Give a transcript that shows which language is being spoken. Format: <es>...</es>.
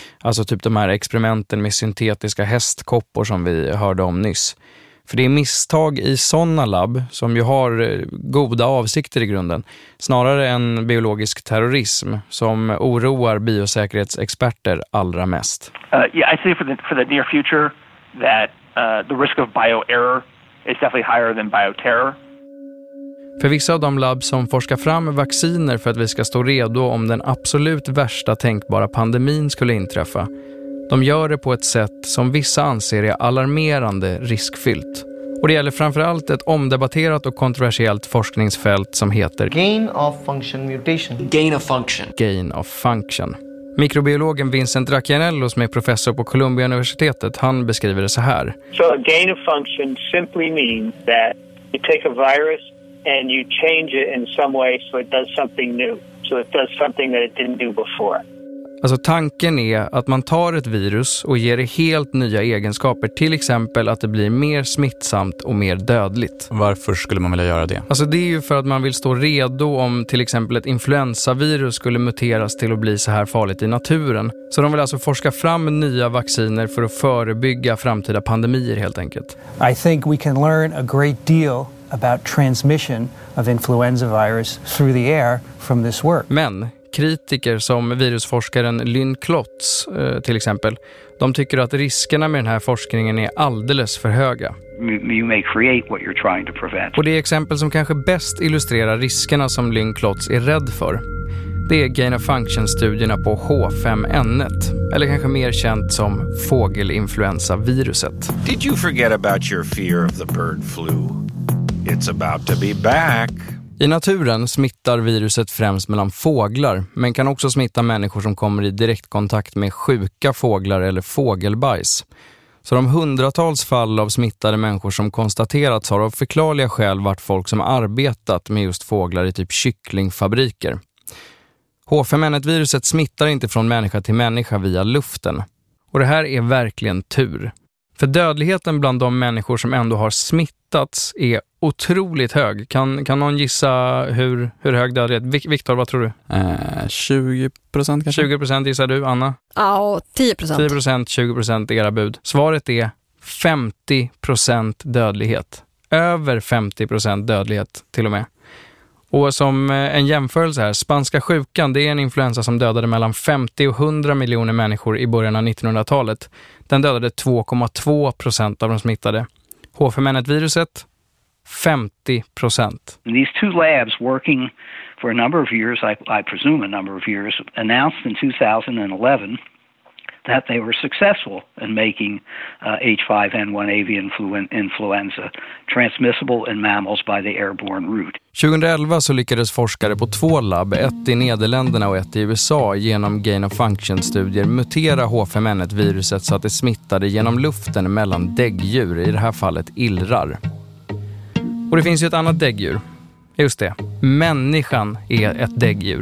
<sv>Alltså typ de här experimenten med syntetiska hästkoppor som vi hörde om nyss. För det är misstag i såna labb som ju har goda avsikter i grunden, snarare än biologisk terrorism, som oroar biosäkerhetsexperter allra mest.</sv> <en>Yeah, I see for the near future that the risk of bio-error is definitely higher than bio-terror.</en> <sv>För vissa av de labb som forskar fram vacciner för att vi ska stå redo om den absolut värsta tänkbara pandemin skulle inträffa, de gör det på ett sätt som vissa anser är alarmerande riskfyllt. Och det gäller framförallt ett omdebatterat och kontroversiellt forskningsfält som heter</sv> <en>gain of function mutation. Gain of function. Gain of function.</en> <sv>Mikrobiologen Vincent Racchianello, som är professor på Columbia-universitetet, han beskriver det så här.</sv> <en>So a gain of function simply means that you take a virus and you change it in some way so it does something new. So it does something that it didn't do before.</en> <sv>Alltså tanken är att man tar ett virus och ger det helt nya egenskaper, till exempel att det blir mer smittsamt och mer dödligt. Varför skulle man vilja göra det? Alltså det är ju för att man vill stå redo om till exempel ett influensavirus skulle muteras till att bli så här farligt i naturen. Så de vill alltså forska fram nya vacciner för att förebygga framtida pandemier helt enkelt.</sv> <en>I think we can learn a great deal about transmission of influenza virus through the air from this work.</en> <sv>Men kritiker som virusforskaren Lynn Klotz till exempel, de tycker att riskerna med den här forskningen är alldeles för höga.</sv> <en>You may create what you're trying to prevent.</en> <sv>Och det exempel som kanske bäst illustrerar riskerna som Lynn Klotz är rädd för, det är gain-of-function-studierna på H5N1, eller kanske mer känt som fågelinfluensaviruset.</sv> <en>Did you forget about your fear of the bird flu? It's about to be back.</en> <sv>I naturen smittar viruset främst mellan fåglar, men kan också smitta människor som kommer i direktkontakt med sjuka fåglar eller fågelbajs. Så de hundratals fall av smittade människor som konstaterats har av förklarliga skäl varit folk som arbetat med just fåglar i typ kycklingfabriker. H5N1-viruset smittar inte från människa till människa via luften. Och det här är verkligen tur. För dödligheten bland de människor som ändå har smittats är otroligt hög. Kan någon gissa hur hög dödlighet? Viktor, vad tror du? 20% kanske. 20% gissar du, Anna? Ja, 10%. 10%, 20% era bud. Svaret är 50% dödlighet. Över 50% dödlighet till och med. Och som en jämförelse här, spanska sjukan, det är en influensa som dödade mellan 50 och 100 miljoner människor i början av 1900-talet. Den dödade 2,2% av de smittade. H5N1-viruset, 50%.</sv> <en>These two labs working for a number of years, I presume a number of years, announced in 2011 that they were successful in making H5N1 avian influenza transmissible in mammals by the airborne route.</en> <sv>2011 så lyckades forskare på två labb, ett i Nederländerna och ett i USA, genom gain-of-function-studier mutera H5N1-viruset så att det smittade genom luften mellan däggdjur, i det här fallet illrar. Och det finns ju ett annat däggdjur. Just det. Människan är ett däggdjur.</sv>